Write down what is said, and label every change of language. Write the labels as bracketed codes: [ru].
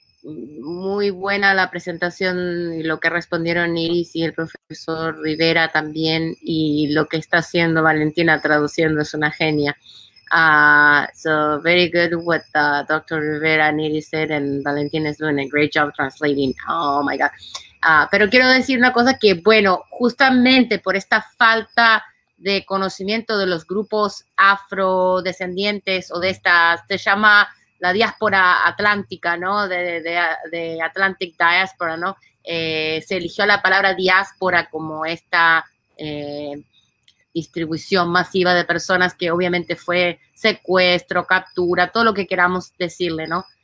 [es] muy buena la presentación y lo que respondieron Iris y el profesor Rivera también, y lo que está haciendo Valentina traduciendo es una genia. [en] So very good what Dr. Rivera and Iris said, and Valentina is doing a great job translating. Oh my God. [es] Pero quiero decir una cosa, que bueno, justamente por esta falta de conocimiento de los grupos afrodescendientes o de esta, se llama la diáspora atlántica, ¿no? De Atlantic Diaspora, ¿no? Se eligió la palabra diáspora como esta distribución masiva de personas, que obviamente fue secuestro, captura, todo lo que queramos decirle, ¿no?